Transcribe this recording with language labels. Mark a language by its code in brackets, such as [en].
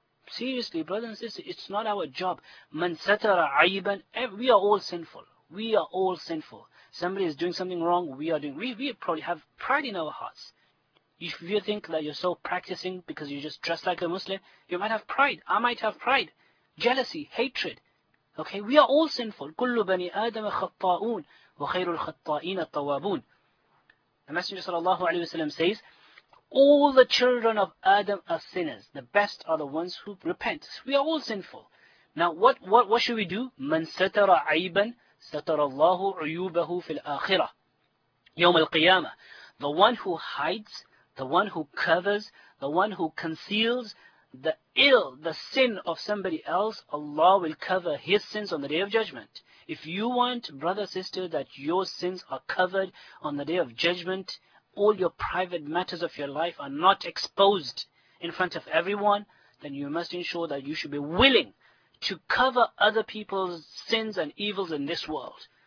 [en] Seriously, brothers and sisters, it's not our job. [ar] Man satara aiban, [en] we are all sinful. We are all sinful. Somebody is doing something wrong, we are doing. We probably have pride in our hearts. If you think that you're so practicing because you just dress like a Muslim, you might have pride. I might have pride. Jealousy, hatred. Okay, we are all sinful. [ar] كل بني آدم خطاؤون وخير الخطائين الطوابون. [en] The Messenger sallallahu alaihi wasallam says, all the children of Adam are sinners. The best are the ones who repent. We are all sinful. Now, what should we do? [ar] من ستر عيبا ستر الله عيوبه في الآخرة يوم القيامة. [en] The one who hides, the one who covers, the one who conceals the ill, the sin of somebody else, Allah will cover his sins on the Day of Judgment. If you want, brother, sister, that your sins are covered on the Day of Judgment, all your private matters of your life are not exposed in front of everyone, then you must ensure that you should be willing to cover other people's sins and evils in this world.